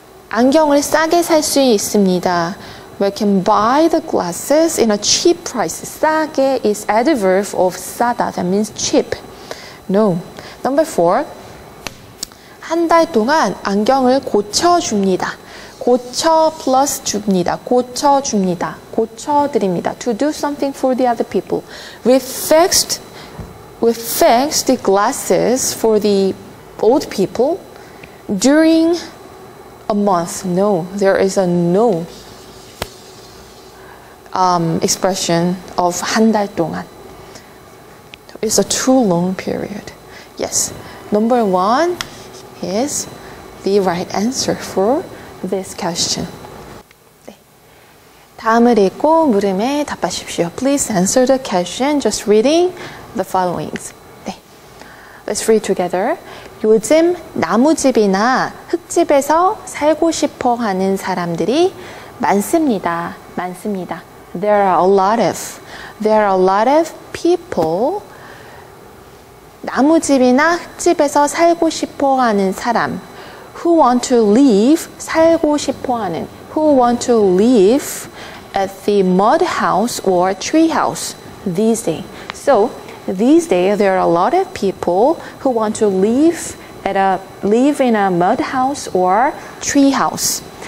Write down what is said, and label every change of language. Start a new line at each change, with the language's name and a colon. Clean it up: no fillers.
Korean: 안경을 싸게 살 수 있습니다.
English: We can buy the glasses in a cheap price. 싸게 is adverb of 싸다. That means cheap. No. Number 4.
Korean: 한 달 동안 안경을 고쳐줍니다. plus 줍니다. 고쳐줍니다. 고쳐드립니다.
English: To do something for the other people. We fixed the glasses for the old people during a month. No, there is a no expression of
Korean: 한 달 동안.
English: It's a too long period. Yes. Number one is the right answer for this question.
Korean: 네. 다음을 읽고 물음에 답하십시오.
English: Please answer the question just reading the following.
Korean: 네.
English: Let's read together.
Korean: 요즘 나무집이나 흙집에서 살고 싶어 하는 사람들이 많습니다. 많습니다.
English: There are a lot of people
Korean: 나무집이나 흙집에서 살고 싶어 하는 사람
English: who want to live
Korean: 살고 싶어 하는
English: who want to live at the mud house or tree house these days. So, these days there are a lot of people who want to live in a mud house or tree house.